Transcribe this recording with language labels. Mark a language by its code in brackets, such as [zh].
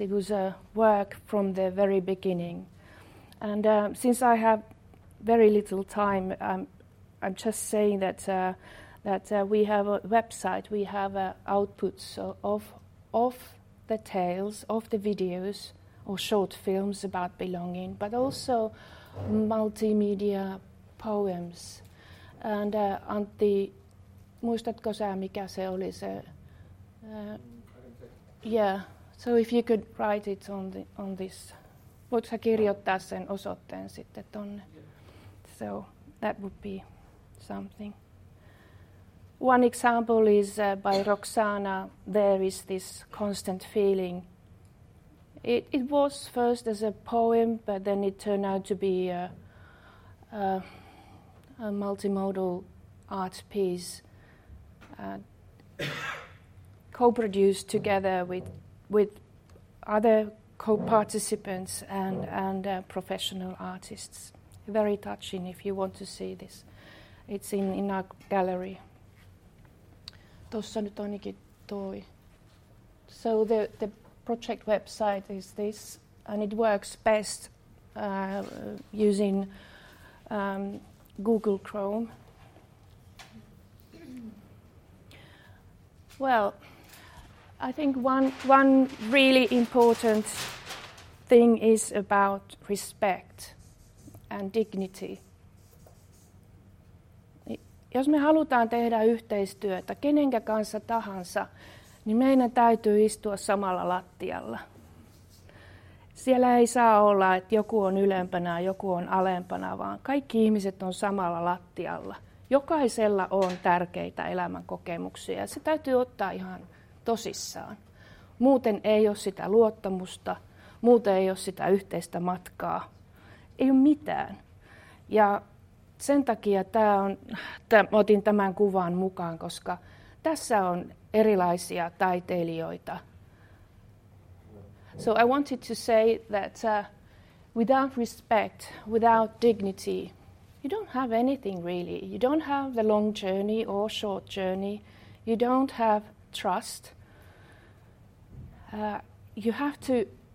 [en] It was a work from the very beginning. And since I have very little time, I'm just saying that we have a website, we have outputs of the tales, of the videos or short films about belonging, but also multimedia poems. [fi] And Antti, muistatko sä, mikä se oli se? [en] Yeah, so if you could write it on this. [fi] Voit sä kirjoittaa sen osoitteen sitten tonne? [en] So that would be something. One example is by Roxana, There Is This Constant Feeling. It was first as a poem, but then it turned out to be a multimodal art piece co-produced together with other co-participants and professional artists. Very touching if you want to see this. It's in our gallery. [fi] Tuossa nyt ainakin toi. [en] So the project website is this, and it works best using Google Chrome. Well, I think one really important thing is about respect and dignity. [fi] Jos me halutaan tehdä yhteistyötä kenenkä kanssa tahansa, niin meidän täytyy istua samalla lattialla. Siellä ei saa olla, että joku on ylempänä ja joku on alempana, vaan kaikki ihmiset on samalla lattialla. Jokaisella on tärkeitä elämän kokemuksia ja se täytyy ottaa ihan tosissaan. Muuten ei ole sitä luottamusta, muuten ei ole sitä yhteistä matkaa, ei ole mitään. Ja sen takia otin tämän kuvan mukaan, koska tässä on erilaisia taiteilijoita. [en] So I wanted to say that without respect, without dignity, you don't have anything really. You don't have the long journey or short journey. You don't have trust. You have to